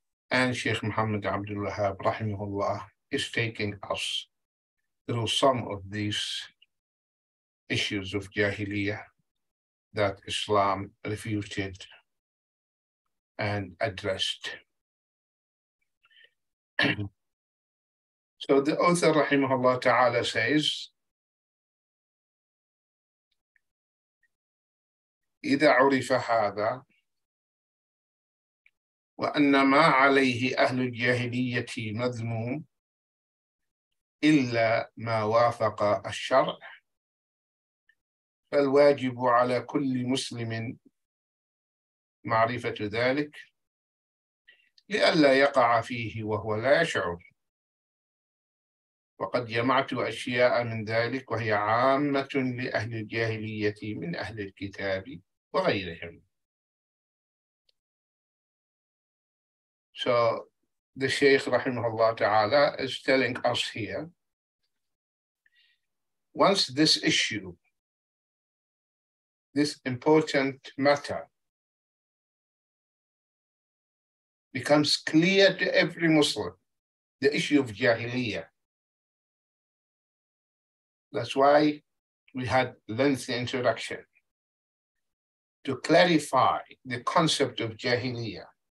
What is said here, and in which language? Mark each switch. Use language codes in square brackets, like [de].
[en] And Sheikh Muhammad Abdul Wahab, rahimahullah, is taking us through some of these issues of Jahiliyyah that Islam refuted and addressed. So the author, rahimahullah ta'ala, says, [ar] إِذَا عُرِفَ هَذَا وَأَنَّ مَا عَلَيْهِ أَهْلُ الْجَاهِلِيَّةِ مَذْمُومٌ إلا ما وافق الشرع، فالواجب على كل مسلم معرفة ذلك لئلا يقع فيه وهو لا يشعر. وقد جمعت أشياء من ذلك وهي عامة لأهل الجاهلية من أهل الكتاب وغيرهم. [en] So the Shaykh rahimahullah ta'ala is telling us here, once this issue, this important matter, becomes clear to every Muslim, the issue of Jahiliyyah, that's why we had lengthy introduction to clarify the concept of Jahiliyyah.